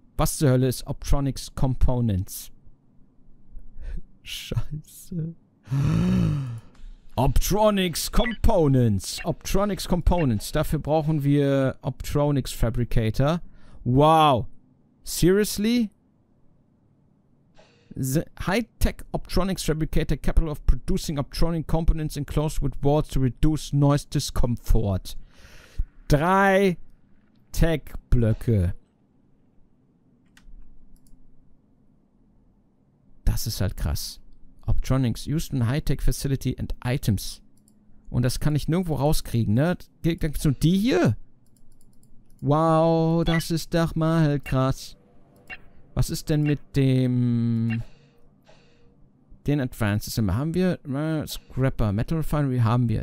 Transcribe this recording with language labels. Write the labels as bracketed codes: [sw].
[de] Was zur Hölle ist Optronics Components? Scheiße. Optronics Components. Optronics Components. Dafür brauchen wir Optronics Fabricator. [en] Wow. Seriously? The high-tech Optronics Fabricator capable of producing Optronic Components enclosed with walls to reduce noise discomfort. [de] 3 Tech-Blöcke. Das ist halt krass. [en] Optronics used in high-tech facility and items. [de] Und das kann ich nirgendwo rauskriegen, ne? Die hier? Wow, das ist doch mal krass. Was ist denn mit dem... Den Advanced Assembler haben wir. Scrapper. Metal Refinery haben wir.